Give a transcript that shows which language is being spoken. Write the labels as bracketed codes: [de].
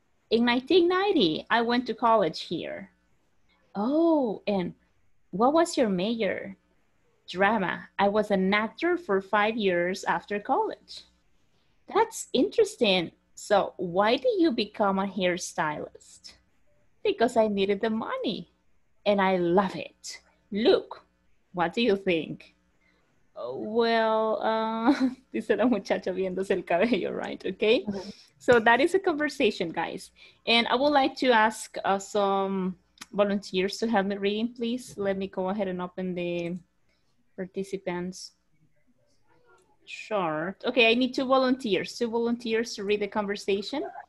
[en] In 1990, I went to college here. Oh, and what was your major? Drama. I was an actor for 5 years after college. That's interesting. So why did you become a hairstylist? Because I needed the money and I love it. Look, what do you think? Well, [es] dice la muchacha viéndose el cabello, [en] right? Okay. Mm-hmm. So that is a conversation, guys. And I would like to ask some volunteers to help me reading, please. Let me go ahead and open the participants chart. Okay, I need two volunteers to read the conversation.